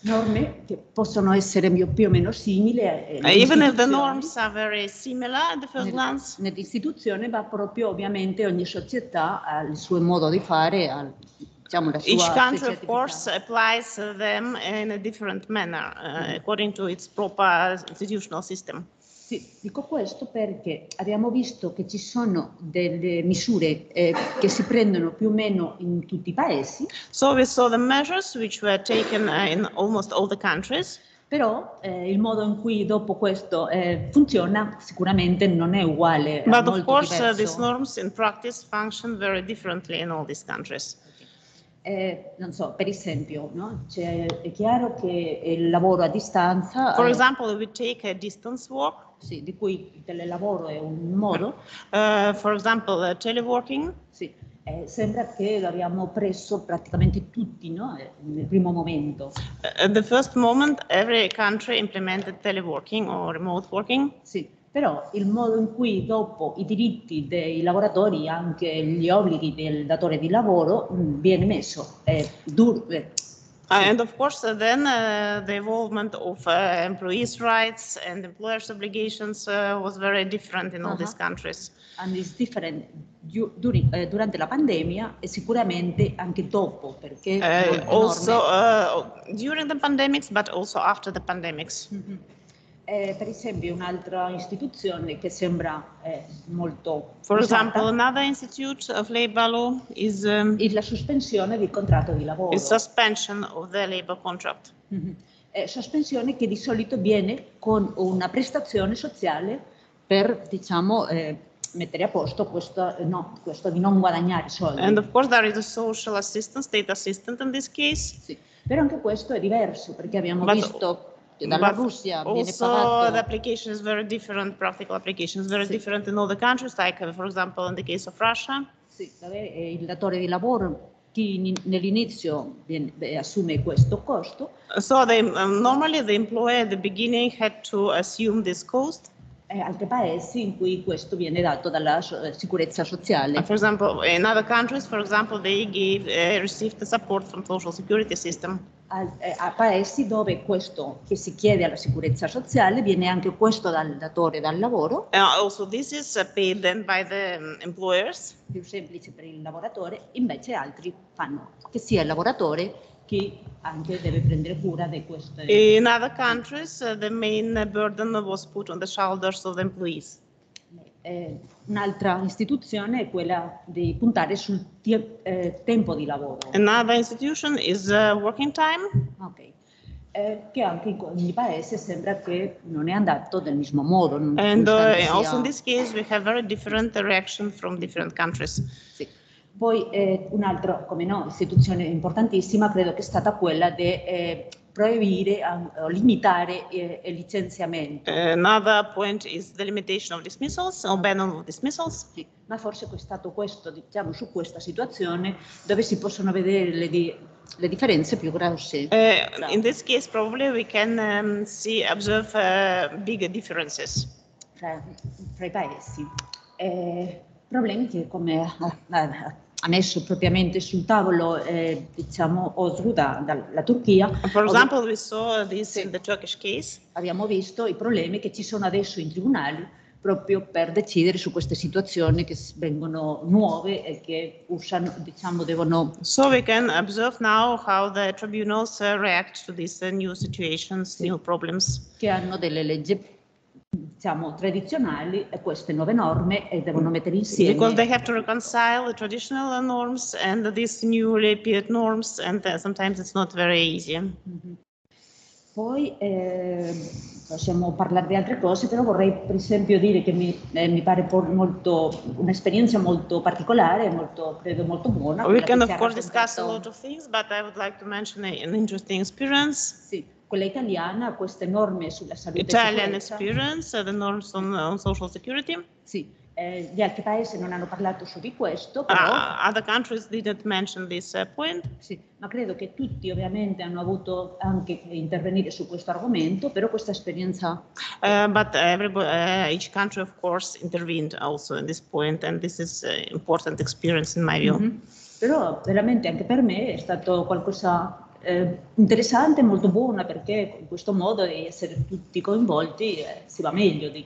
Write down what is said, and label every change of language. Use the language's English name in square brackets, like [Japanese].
[Italian] Norme che possono essere più o meno simili. [English] Even if the norms are very similar at the first glance. [Italian] Nell'istituzione va proprio ovviamente ogni società al suo modo di fare, al, diciamo, la sua. [English] Each country of course applies them in a different manner according to its proper institutional system. [Italian] Sì, dico questo perché abbiamo visto che ci sono delle misure che si prendono più o meno in tutti i paesi. [English] So we saw the measures which were taken in almost all the countries. [Italian] Però il modo in cui dopo questo funziona sicuramente non è uguale. [English] But [Italian] molto [English] of course [Italian] diverso. [English] These norms in practice function very differently in all these countries. [Italian] Non so, per esempio, no? Cioè, è chiaro che il lavoro a distanza. [English] For example, we take a distance work. [Italian] Sì, di cui il telelavoro è un modo. [English] For example, teleworking. [Italian] Sì, sembra che l'abbiamo preso praticamente tutti, no? Nel primo momento. [English] At the first moment, every country implemented teleworking or remote working. [Italian] Sì, però il modo in cui dopo i diritti dei lavoratori, anche gli obblighi del datore di lavoro, viene messo è duro. [English] And of course, then the involvement of employees' rights and employers' obligations was very different in all these countries. And it's different [Italian] durante la pandemia e sicuramente anche dopo, perché [English] also during the pandemics, but also after the pandemics. [Italian] Mm-hmm. Per esempio, un'altra istituzione che sembra molto. [English] For example, another institute of labor law is [Italian] la sospensione del contratto di lavoro. [English] Is suspension of the labor contract. Mm-hmm. [Italian] Sospensione che di solito viene con una prestazione sociale per, diciamo, mettere a posto questo di non guadagnare soldi. [English] And of course there is a social assistant, state assistant in this case. [Italian] Sì. Però anche questo è diverso perché abbiamo visto dalla Russia viene [English] also [Italian] pagato. [English] The application is very different, practical application is very sì. different in other countries, like for example in the case of Russia. [Italian] Sì, il datore di lavoro, chi nell'inizio assume questo costo. [English] So normally the employer at the beginning had to assume this cost. [Italian] Altri paesi in cui questo viene dato dalla sicurezza sociale. [English] For example, in other countries, for example, they received the support from social security system. [Italian] A paesi dove questo che si chiede alla sicurezza sociale viene anche questo dal datore dal lavoro. [English] Also this is paid then by the employers. [Italian] Più semplice per il lavoratore, invece altri fanno che sia il lavoratore che anche deve prendere cura di questo. [English] In other countries the main burden was put on the shoulders of the employees. [Italian] un'altra istituzione è quella di puntare sul tempo di lavoro. [English] Another institution is working time. Ok. [Italian] Che anche in ogni paese sembra che non è andato del mismo modo. [English] And also in this case we have very different reaction from different countries. [Italian] Sì. Poi un'altra, come no, istituzione importantissima credo che è stata quella di proibire o limitare il licenziamento. [English] Another point is the limitation of dismissals, or ban of dismissals. [Italian] Sì. Ma forse è stato questo, diciamo, su questa situazione dove si possono vedere le differenze più grosse. [English] In this case probably we can observe bigger differences [Italian] tra i paesi. Problemi che come ha messo propriamente sul tavolo, diciamo, Özgür dalla Turchia. [English] For example, we saw this in the Turkish case. [Italian] Abbiamo visto i problemi che ci sono adesso in tribunali proprio per decidere su queste situazioni che vengono nuove e che usano, diciamo, devono. [English] So we can observe now how the tribunals react to these new situations, new problems. [Italian] Che hanno delle leggi, diciamo, tradizionali e queste nuove norme e devono mettere insieme. [English] Because they have to reconcile the traditional norms and these newly appeared norms, and sometimes it's not very easy. Mm-hmm. [Italian] Poi possiamo parlare di altre cose, però vorrei per esempio dire che mi pare molto un'esperienza molto particolare, molto credo molto buona. [English] We can of course discuss a lot of things, but I would like to mention an interesting experience. [Italian] Sì. Quella italiana, queste norme sulla salute. [English] Italian experience, the norms on social security. [Italian] Sì, gli altri paesi non hanno parlato su di questo, però. [English] Other countries didn't mention this point. [Italian] Sì, ma credo che tutti ovviamente hanno avuto anche che intervenire su questo argomento, però questa esperienza. [English] But each country of course intervened also in this point, and this is an important experience in my view. Mm-hmm. [Italian] Però veramente anche per me è stato qualcosa interessante, molto buona, perché in questo modo di essere tutti coinvolti si va meglio.